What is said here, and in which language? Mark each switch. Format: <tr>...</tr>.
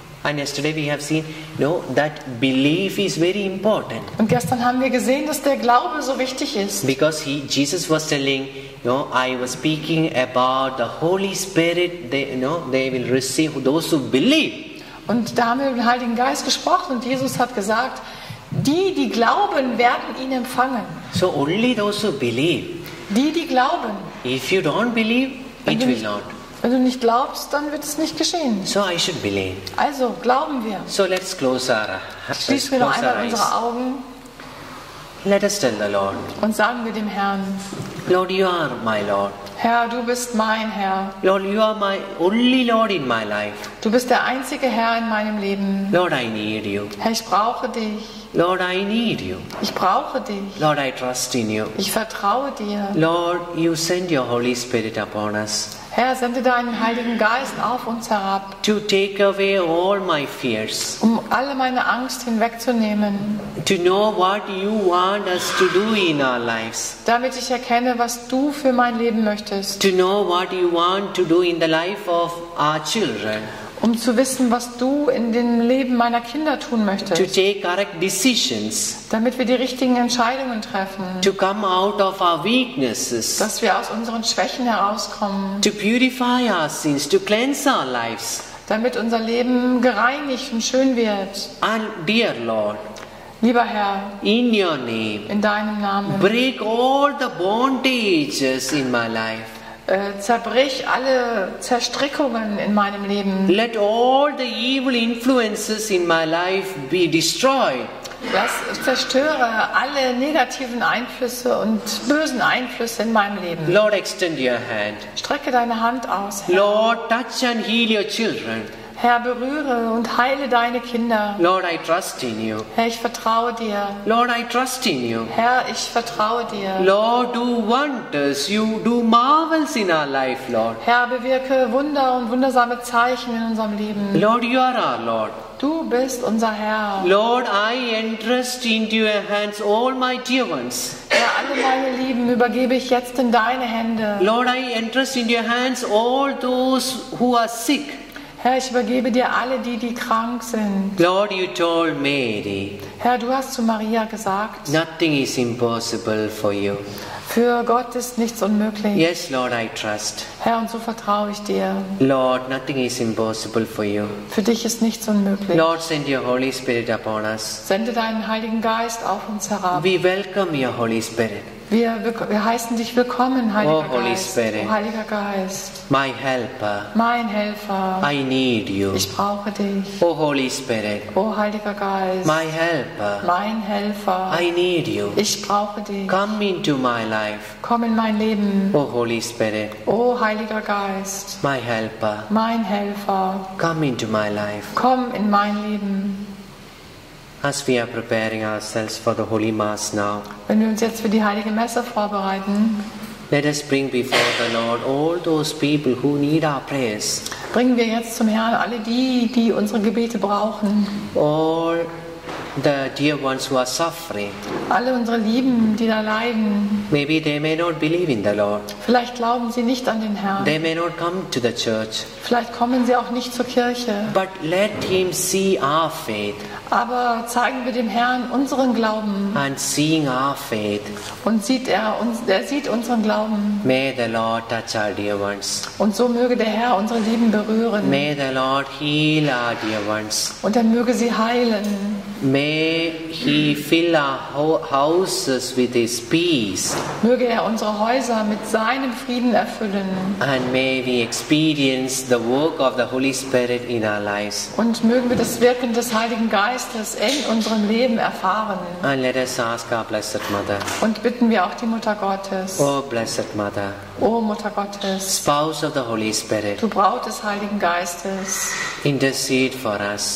<en>And yesterday we have seen, that belief is very important.</en> <de>Und gestern haben wir gesehen, dass der Glaube so wichtig ist.</de> <en>Because Jesus was telling, I was speaking about the Holy Spirit. They will receive those who believe.</en> <de>Und da haben wir über den Heiligen Geist gesprochen und Jesus hat gesagt, die glauben, werden ihn empfangen.</de> <en>So only those who believe.</en> <de>Die glauben.</de> <en>If you don't believe, it will not.</en> <de>Wenn du nicht glaubst, dann wird es nicht geschehen.</de> <en>So I should believe.</en> <de>Also, glauben wir.</de> <en>So let's close our</en> <de>eyes. Schließen wir noch einmal unsere Augen.</de> <en>Let us tell the Lord.</en> <de>Und sagen wir dem Herrn.</de> <en>Lord, you are my Lord.</en> <de>Herr, du bist mein Herr.</de> <en>Lord, you are my only Lord in my life.</en> <de>Du bist der einzige Herr in meinem Leben.</de> <en>Lord, I need you.</en> <de>Herr, ich brauche dich.</de> <en>Lord, I need you.</en> <de>Ich brauche dich.</de> <en>Lord, I trust in you.</en> <de>Ich vertraue dir.</de> <en>Lord, you send your Holy Spirit upon us.</en> <de>Herr, sende deinen Heiligen Geist auf uns herab.</de> <en>To take away all my fears.</en> <de>Um alle meine Angst hinwegzunehmen.</de> <en>To know what you want us to do in our lives.</en> <de>Damit ich erkenne, was du für mein Leben möchtest.</de> <en>To know what you want to do in the life of our children.</en> <de>Um zu wissen, was du in dem Leben meiner Kinder tun möchtest.</de> <en>To take correct decisions.</en> <de>Damit wir die richtigen Entscheidungen treffen.</de> <en>To come out of our weaknesses.</en> <de>Dass wir aus unseren Schwächen herauskommen.</de> <en>To purify our sins, to cleanse our lives.</en> <de>Damit unser Leben gereinigt und schön wird.</de> <en>And dear Lord.</en> <de>Lieber Herr,</de> <en>in your name.</en> <de>In deinem Namen.</de> <en>Break all the bondages in my life.</en> <de>Zerbrich alle Zerstrickungen in meinem Leben.</de> <en>Let all the evil influences in my life be destroyed.</en> <de>Zerstöre alle negativen Einflüsse und bösen Einflüsse in meinem Leben.</de> <en>Lord, extend your hand.</en> <de>Strecke deine Hand aus, Herr.</de> <en>Lord, touch and heal your children.</en> <de>Herr, berühre und heile deine Kinder.</de> <en>Lord, I trust in you.</en> <de>Herr, ich vertraue dir.</de> <en>Lord, I trust in you.</en> <de>Herr, ich vertraue dir.</de> <en>Lord, do wonders. You do marvels in our life, Lord.</en> <de>Herr, bewirke Wunder und wundersame Zeichen in unserem Leben.</de> <en>Lord, you are our Lord.</en> <de>Du bist unser Herr.</de> <en>Lord, I entrust into your hands all my dear ones.</en> <de>Herr, alle meine Lieben übergebe ich jetzt in deine Hände.</de> <en>Lord, I entrust into your hands all those who are sick.</en> <de>Herr, ich übergebe dir alle, die krank sind.</de> <en>Lord, you told Mary.</en> <de>Herr, du hast zu Maria gesagt.</de> <en>Nothing is impossible for you.</en> <de>Für Gott ist nichts unmöglich.</de> <en>Yes, Lord, I trust.</en> <de>Herr, und so vertraue ich dir.</de> <en>Lord, nothing is impossible for you.</en> <de>Für dich ist nichts unmöglich.</de> <en>Lord, send your Holy Spirit upon us.</en> <de>Sende deinen Heiligen Geist auf uns herab.</de> <en>We welcome your Holy Spirit.</en> <de>Wir heißen dich willkommen, Heiliger</de> <en>Geist. Holy Spirit,</en> <de>oh, Heiliger Geist.</de> <en>My helper.</en> <de>Mein Helfer.</de> <en>I need you.</en> <de>Ich brauche dich.</de> <en>Oh, Holy Spirit.</en> <de>Oh, Heiliger Geist.</de> <en>My helper.</en> <de>Mein Helfer.</de> <en>I need you.</en> <de>Ich brauche dich.</de> <en>Come into my life.</en> <de>Komm in mein Leben.</de> <en>Oh, Holy Spirit.</en> <de>Oh, Heiliger Geist.</de> <en>My helper.</en> <de>Mein Helfer.</de> <en>Come into my life.</en> <de>Komm in mein Leben.</de> <en>As we are preparing ourselves for the Holy Mass now.</en> <de>Wenn wir uns jetzt für die Heilige Messe vorbereiten.</de> <en>Let us bring before the Lord all those people who need our prayers.</en> <de>Bringen wir jetzt zum Herrn alle die unsere Gebete brauchen.</de> <en>All the dear ones who are suffering.</en> <de>Alle unsere Lieben, die da leiden.</de> <en>Maybe they may not believe in the Lord.</en> <de>Vielleicht glauben sie nicht an den Herrn.</de> <en>They may not come to the church.</en> <de>Vielleicht kommen sie auch nicht zur Kirche.</de> <en>But let him see our faith.</en> <de>Aber zeigen wir dem Herrn unseren Glauben.</de> <en>And seeing our faith.</en> <de>Und er sieht unseren Glauben.</de> <en>May the Lord touch our dear ones.</en> <de>Und so möge der Herr unsere Lieben berühren.</de> <en>May the Lord heal our dear ones.</en> <de>Und er möge sie heilen.</de> <en>May he fill our houses with his peace.</en> <de>Möge er unsere Häuser mit seinem Frieden erfüllen.</de> <en>And may we experience the work of the Holy Spirit in our lives.</en> <de>Und mögen wir das Wirken des Heiligen Geistes in unserem Leben erfahren.</de> <en>And let us ask our Blessed Mother.</en> <de>Und bitten wir auch die Mutter Gottes.</de> <en>Oh Blessed Mother.</en> <de>O Mutter Gottes.</de> <en>Spouse of the Holy Spirit.</en> <de>Du Braut des Heiligen Geistes.</de> <en>Intercede for us.</en>